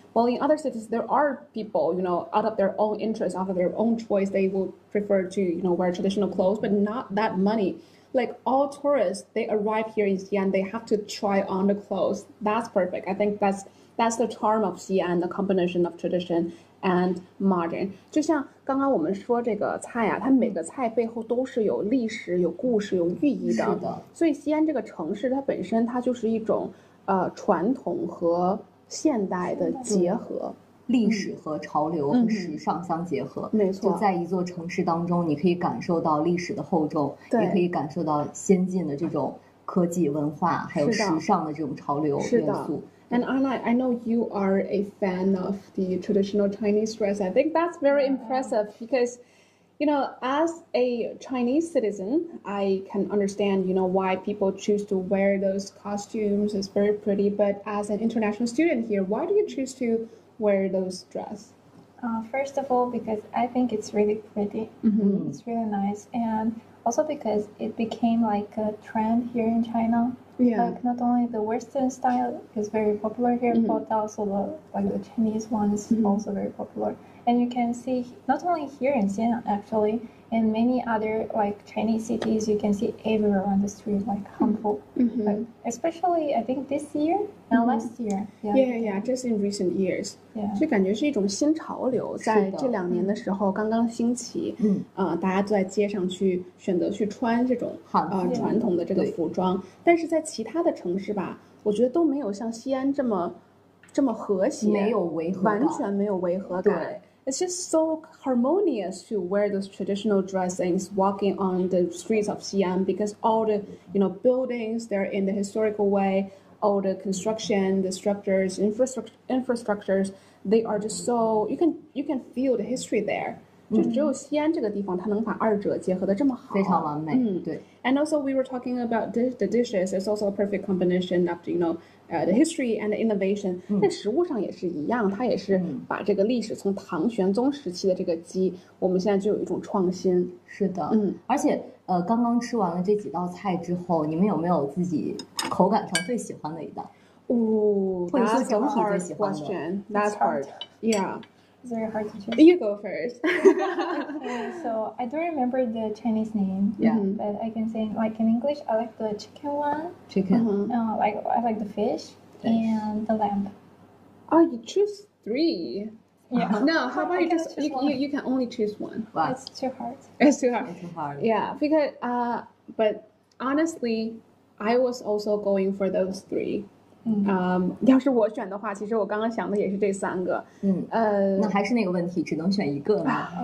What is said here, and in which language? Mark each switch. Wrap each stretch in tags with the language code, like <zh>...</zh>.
<en>Well, in other cities, there are people, you know, out of their own interest, out of their own choice, they would prefer to, you know, wear traditional clothes, but not that many. Like all tourists, they arrive here in Xi'an, they have to try on the clothes. That's perfect. I think that's the charm of Xi'an, the combination of tradition and modern.</en> <zh>就像刚刚我们说这个菜啊，它每个菜背后都是有历史、有故事、有寓意的。是的。所以西安这个城市它本身它就是一种传统和现代的结合。历史和潮流和时尚相结合，没错，就在一座城市当中，你可以感受到历史的厚重，对，也可以感受到先进的这种科技文化，还有时尚的这种潮流元素。</zh> <en>And Anna, I know you are a fan of the traditional Chinese dress. I think that's very impressive because you know, as a Chinese citizen, I can understand, you know, why people choose to wear those costumes. It's very pretty. But as an international student here, why do you choose to wear those dress? First of all, because I think it's really pretty. Mm-hmm. It's really nice. And also because it became like a trend here in China. Yeah. Like not only the Western style is very popular here, mm-hmm. but also the, like the Chinese one is mm-hmm. also very popular. And you can see not only here in Xi'an, actually, in many other like Chinese cities, you can see everywhere on the street, like Hangzhou. Mm-hmm. Like, especially, I think this year and mm-hmm. last year. Yeah, just in recent years. Yeah.</en> <zh>就感觉是一种新潮流, 在这两年的时候, 刚刚兴起, 大家都在街上去选择去穿这种, 传统的这个服装, 但是在其他的城市吧, 我觉得都没有像西安这么和谐, 没有违和感, 完全没有违和感, 对。</zh> <en>It's just so harmonious to wear those traditional dressings walking on the streets of Xi'an because all the, you know, buildings, they're in the historical way, all the construction, the structures, infrastructures, they are just so, you can feel the history there. Mm-hmm.</en> <zh>就只有西安这个地方它能把二者结合得这么好。非常完美, mm. 对。</zh> <en>And also we were talking about the dishes, it's also a perfect combination of, you know, the history and the innovation.</en> <zh>但食物上也是一样,它也是把这个历史从唐玄宗时期的这个鸡,我们现在就有一种创新。是的。而且刚刚吃完了这几道菜之后,你们有没有自己口感上最喜欢的一道?</zh> <en>That's a hard question. That's hard. Yeah. It's very hard to choose. You go first. So I don't remember the Chinese name. Yeah. But I can say, like in English, I like the chicken one. Chicken. Mm-hmm. Like I like the fish and the lamb. Oh, you choose three. Yeah. No, how about you can only choose one. Wow. It's too hard. It's too hard. It's too hard. Yeah, because, but honestly, I was also going for those three.</en> <zh>要是我选的话，其实我刚刚想的也是这三个。那还是那个问题, 只能选一个吗?</zh>